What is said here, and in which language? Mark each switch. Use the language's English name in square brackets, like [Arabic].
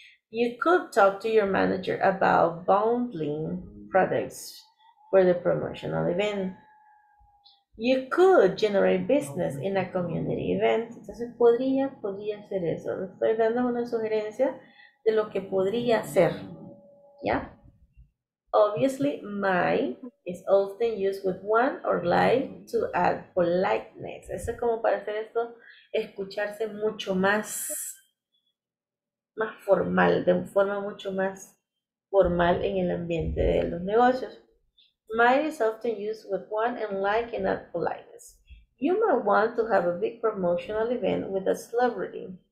[English] You could talk to your manager about bundling products for the promotional event. You could generate business in a community event. [Spanish] Entonces podría hacer eso. Estoy dando una sugerencia de lo que podría hacer. ¿Ya? [English] Obviously, my is often used with one or like to add politeness. [Spanish] Eso es como para hacer esto, escucharse mucho más, más formal, de forma mucho más formal en el ambiente de los negocios. [English] My is often used with one and like and add politeness. You might want to have a big promotional event with a celebrity.